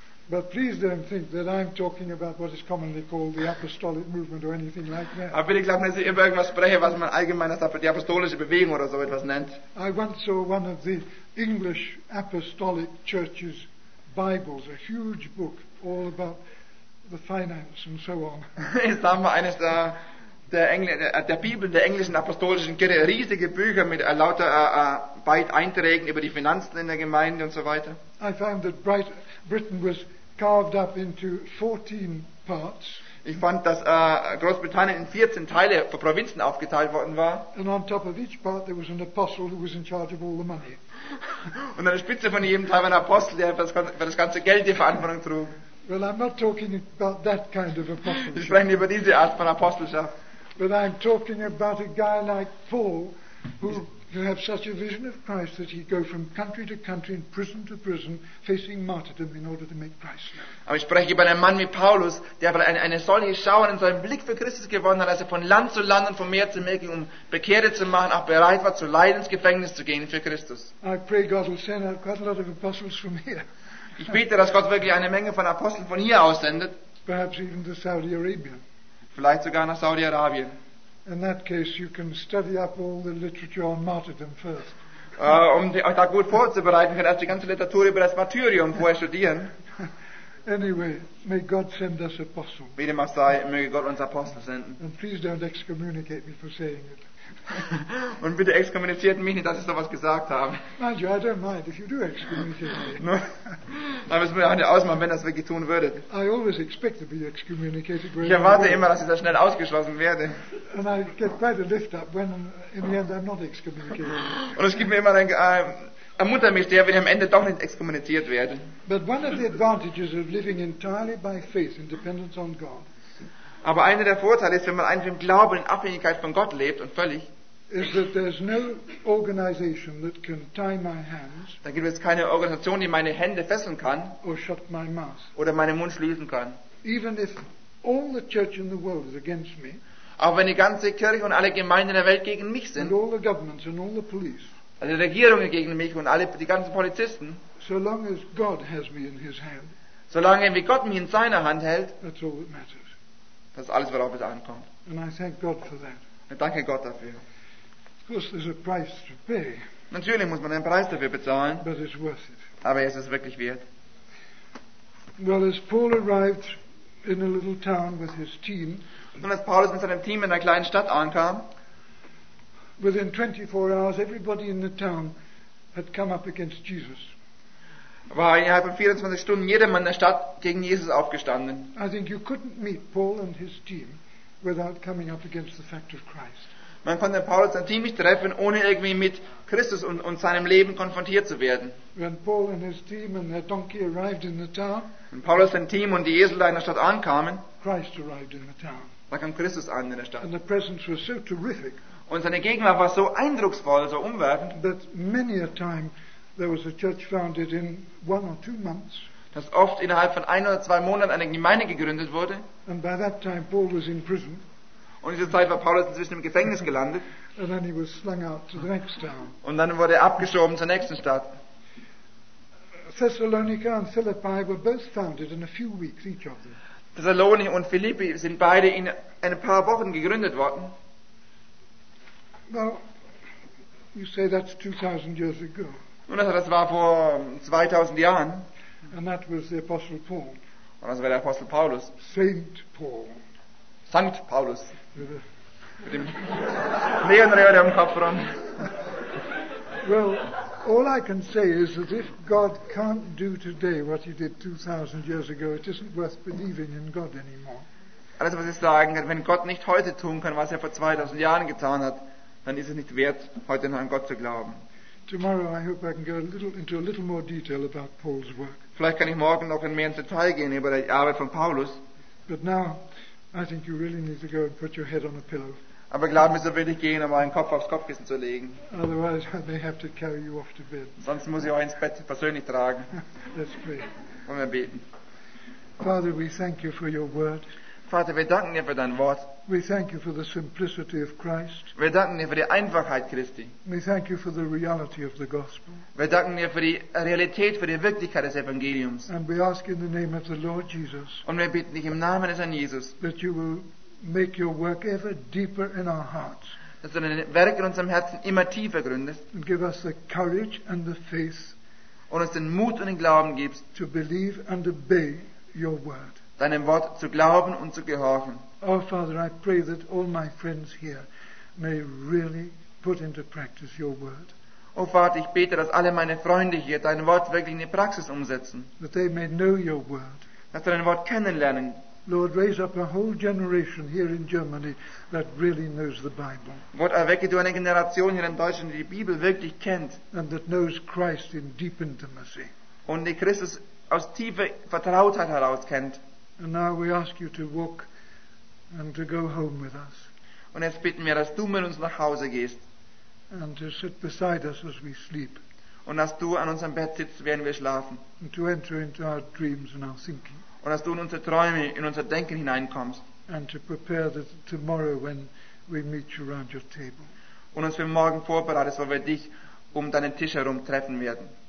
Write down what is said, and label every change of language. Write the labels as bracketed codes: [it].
[en] But please don't think that I'm talking about what is commonly called the apostolic movement or anything like that. [de] Aber bitte glaub nicht, dass ich über irgendwas spreche, was man allgemein als die apostolische Bewegung oder so etwas nennt. [en] I once saw one of the English apostolic churches' Bibles, a huge book all about the finance and so on. [de] Ich sah mal eines der Bibel der englischen apostolischen Kirche, riesige Bücher mit lauter Einträgen über die Finanzen in der Gemeinde und so weiter. [en] I found that Britain was carved up into 14 parts. [de] Ich fand, dass Großbritannien in 14 Teile von Provinzen aufgeteilt worden war. [en] And on top of each part there was an apostle who was in charge of all the money. [de] Und an der Spitze von jedem Teil war ein Apostel, der für das ganze Geld die Verantwortung trug. [en] Well, I'm not talking about that kind of apostleship. [de] Ich spreche nicht über diese Art von Apostelschaft. [en] But I'm talking about a guy like Paul who have such a vision of Christ that he go from country to country and prison to prison facing martyrdom in order to make Christ known. [de] Aber ich spreche über einen Mann wie Paulus, der aber eine solche Schau und einen Blick für Christus gewonnen hat, dass er von Land zu Land und von Meer zu Meer ging, um Bekehrte zu machen, auch bereit war, zu Leiden ins Gefängnis zu gehen für Christus. [en] I pray God will send out quite a lot of apostles from here. [de] Ich bete, dass Gott wirklich eine Menge von Aposteln von hier aussendet. [en] Perhaps even to Saudi Arabia. [de] Vielleicht sogar nach Saudi-Arabien. [en] In that case you can study up all the literature on martyrdom first. [de] Euch da gut vorzubereiten, könnt ihr die ganze Literatur über das Martyrium vorher studieren. [en] Anyway, may God send us apostles. [de] Bitte mal sei, möge Gott uns Apostel senden. [en] And please don't excommunicate me for saying it. [de] Und bitte exkommuniziert mich nicht, dass ich sowas gesagt habe. [en] Mind you, I don't mind if you do excommunicate me. [de] Aber es würde auch nicht ausmachen, wenn das wirklich tun würdet. [en] I always expect to be excommunicated. [de] Ich erwarte immer, dass ich da schnell ausgeschlossen werde. [en] And I get quite a lift up when, in the end, I'm not excommunicated. [de] Und es gibt mir immer ermuntert mich sehr, wenn ich am Ende doch nicht exkommuniziert werde. [en] But one of the advantages of living entirely by faith, in dependence on God. [de] Aber einer der Vorteile ist, wenn man einfach im Glauben in Abhängigkeit von Gott lebt und völlig. [en] Is that there's no organization that can tie my hands. [de] Dann gibt es keine Organisation, die meine Hände fesseln kann. [en] Or shut my mouth. [de] Oder meinen Mund schließen kann. [en] Even if all the church in the world is against me. [de] Auch wenn die ganze Kirche und alle Gemeinden der Welt gegen mich sind. [en] And all the governments and all the police. [de] Alle Regierungen gegen mich und alle die ganzen Polizisten. [en] So long as God has me in His hand. [de] Solange wie Gott mich in seiner Hand hält. [en] That's all that matters. [de] Das ist alles, worauf es ankommt. [en] And I thank God for that. [de] Ich danke Gott dafür. [en] Of course, there's a price to pay. [de] Natürlich muss man einen Preis dafür bezahlen. [en] But it's worth it. [de] Aber es ist wirklich wert. [en] Well, as Paul arrived in a little town with his team. [de] Und als Paulus mit seinem Team in einer kleinen Stadt ankam. [en] Within 24 hours, everybody in the town had come up against Jesus. [de] War innerhalb von 24 Stunden jeder Mann in der Stadt gegen Jesus aufgestanden. [en] I think you couldn't meet Paul and his team without coming up against the fact of Christ. [de] Man konnte Paulus sein Team nicht treffen, ohne irgendwie mit Christus und seinem Leben konfrontiert zu werden. [en] When Paul and his team and their donkey arrived in the town, [de] wenn Paulus sein Team und die Esel da in der Stadt ankamen, [en] Christ arrived in the town. [de] Da kam Christus an in der Stadt. [en] And the presence was so terrific. [de] Und seine Gegenwart war so eindrucksvoll, so umwerfend. [en] That many a time there was a church founded in 1 or 2 months. [de] Dass oft innerhalb von 1 oder 2 Monaten eine Gemeinde gegründet wurde. [en] And by that time Paul was in prison. [de] Und in dieser Zeit war Paulus inzwischen im Gefängnis gelandet. [en] And then he was slung out to the next town. [de] Und dann wurde er abgeschoben zur nächsten Stadt. [en] Thessalonica and Philippi were both founded in a few weeks each of them. [de] Thessalonica und Philippi sind beide in ein paar Wochen gegründet worden. [en] Well, you say that's 2000 years ago. [de] Und das war vor 2000 Jahren. [en] And that was the Apostle Paul. [de] Und das war der Apostel Paulus. [en] Saint Paul. [de] Sankt Paulus. Mit dem Leonrehr am Kopf rum. [en] Well, all I can say is that if God can't do today what he did 2000 years ago, it isn't worth believing in God anymore. [de] Alles, was ich sagen kann, wenn Gott nicht heute tun kann, was er vor 2000 Jahren getan hat, dann ist es nicht wert, heute noch an Gott zu glauben. [en] Tomorrow I hope I can go into a little more detail about Paul's work. [de] Vielleicht kann ich morgen noch mehr ins Detail gehen über die Arbeit von Paulus. [en] But now I think you really need to go and put your head on a pillow. [de] Aber glaub mir, so will ich gehen, um einen Kopf aufs Kopfkissen zu legen. [en] Otherwise, I may have to carry you off to bed. [de] Sonst muss ich euch ins Bett persönlich tragen. [en] Let's pray. [de] Wollen wir beten. [en] Father, we thank you for your word. [de] Vater, wir danken dir für dein Wort. [en] We thank you for the simplicity of Christ. [de] Wir danken dir für die Einfachheit Christi. [en] We thank you for the reality of the gospel. [de] Wir danken dir für die Realität, für die Wirklichkeit des Evangeliums. [en] And we ask in the name of the Lord Jesus. [de] Und wir bitten dich im Namen des Herrn Jesus. [en] That you will make your work ever deeper in our hearts. [de] Dass du dein Werk in unserem Herzen immer tiefer gründest. [en] And give us the courage and the faith. [de] Und uns den Mut und den Glauben gibst. [en] To believe and obey your word. [de] Deinem Wort zu glauben und zu gehorchen. [en] Oh Father, I pray that all my friends here may really put into practice your word. [de] Oh Vater, ich bete, dass alle meine Freunde hier dein Wort wirklich in die Praxis umsetzen. [en] That they may know your word. [de] Dass sie dein Wort kennenlernen. [en] Lord, raise up a whole generation here in Germany that really knows the Bible. [de] Gott, erwecke du eine Generation hier in Deutschland, die die Bibel wirklich kennt. [en] And that knows Christ in deep intimacy. [de] Und die Christus aus tiefer Vertrautheit heraus kennt. [en] And now we ask you to walk and to go home with us. [de] Und jetzt bitten wir, dass du mit uns nach Hause gehst. [en] And to sit beside us as we sleep. [de] Und dass du an unserem Bett sitzt, während wir schlafen. [en] And to enter into our dreams and our thinking. [de] Und dass du in unsere Träume, in unser Denken hineinkommst. [en] And to prepare the tomorrow when we meet you around your table. [de] Und uns für morgen vorbereitest, weil wir dich um deinen Tisch herum treffen werden.